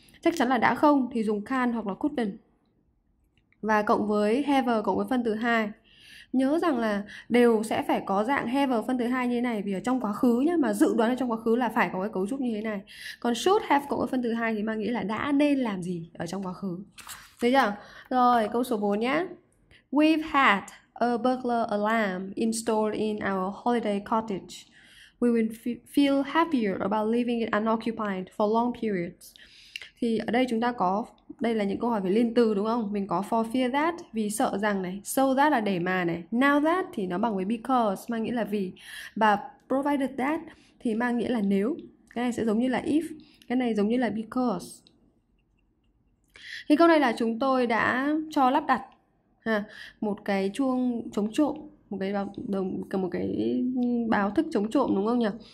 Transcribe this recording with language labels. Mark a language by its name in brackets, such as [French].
[Vietnamese] Chắc chắn là đã không thì dùng can hoặc là couldn't. Và cộng với have cộng với phân từ hai, nhớ rằng là đều sẽ phải có dạng have phân từ hai như thế này, vì ở trong quá khứ nhá, mà dự đoán ở trong quá khứ là phải có cái cấu trúc như thế này. Còn should have cộng với phân từ hai thì mang nghĩa là đã nên làm gì ở trong quá khứ. Thấy chưa? Rồi câu số 4 nhé. [English] We've had a burglar alarm installed in our holiday cottage. We will feel happier about living it unoccupied for long periods. [Vietnamese] Thì ở đây chúng ta có, đây là những câu hỏi về liên từ đúng không? Mình có [English] for fear that, [Vietnamese] vì sợ rằng này, [English] so that [Vietnamese] là để mà này, [English] now that [Vietnamese] thì nó bằng với because, mang nghĩa là vì, và [English] provided that [Vietnamese] thì mang nghĩa là nếu. Cái này sẽ giống như là if, cái này giống như là because. Thì câu này là chúng tôi đã cho lắp đặt ha, một cái chuông chống trộm, một cái báo thức chống trộm đúng không nhỉ?